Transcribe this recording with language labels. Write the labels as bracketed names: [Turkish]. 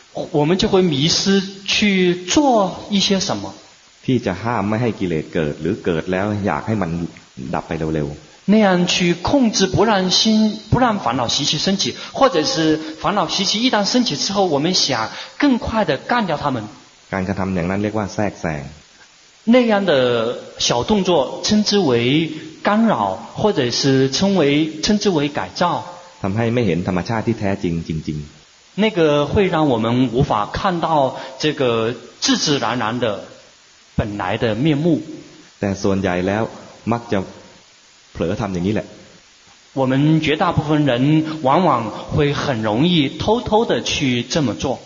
[Chinese] 我们就会迷失去做一些什么 [Thai] ที่จะห้ามไม่ให้กิเลสเกิดหรือเกิดแล้วอยากให้มันดับไปเร็วๆ [Chinese] 那样去控制不让心不让烦恼习气升起或者是烦恼习气一旦升起之后我们想更快的干掉他们 [Thai] การกระทำอย่างนั้นเรียกว่าแทรกแซง [Chinese] 那样的小动作称之为干扰或者是称之为改造 [Thai] ทำให้ไม่เห็นธรรมชาติที่แท้จริงจริง [Chinese] 那个会让我们无法看到这个自自然然的本来的面目 [Thai] แต่ส่วนใหญ่แล้วมักจะเผลอทำอย่างนี้แหละ [Chinese] 我们绝大部分人往往会很容易偷偷的去这么做